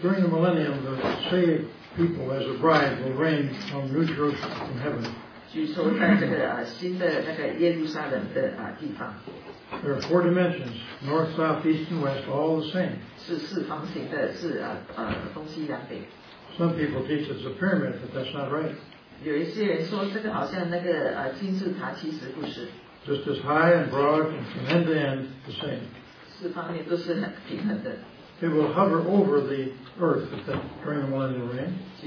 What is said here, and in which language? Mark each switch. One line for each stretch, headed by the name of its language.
English: during the millennium, the saved people as a bride will reign from New Jerusalem from heaven.
Chinese: 据说在这个新的那个耶路撒冷的地方，
English: there are four dimensions, north, south, east, and west, all the same.
Chinese: 是四方形的，是东西南北。
English: Some people teach it's a pyramid, but that's not right.
Chinese: 有一些人说这个好像那个金字塔，其实不是。
English: Just as high and broad and from end to end, the same.
Chinese: 四方面都是很平衡的。
English: It will hover over the earth during the millennial reign.